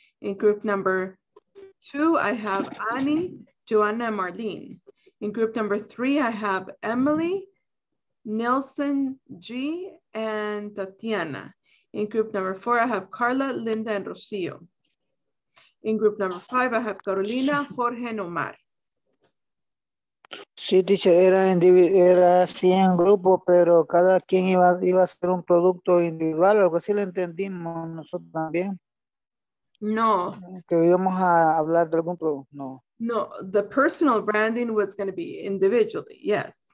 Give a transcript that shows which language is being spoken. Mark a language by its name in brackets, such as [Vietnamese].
[English] In group number 2, I have Annie, Joanna, and Marlene. In group number 3, I have Emily, Nelson, G, and Tatiana. In group number 4, I have Carla, Linda, and Rocio. In group number 5, I have Carolina, Jorge, and Omar. [Spanish] Sí, teacher, era así en grupo, pero cada quien iba a ser un producto individual, algo así lo entendimos nosotros también. No. Que íbamos a hablar de algún producto. No. [English] No, the personal branding was going to be individually, yes.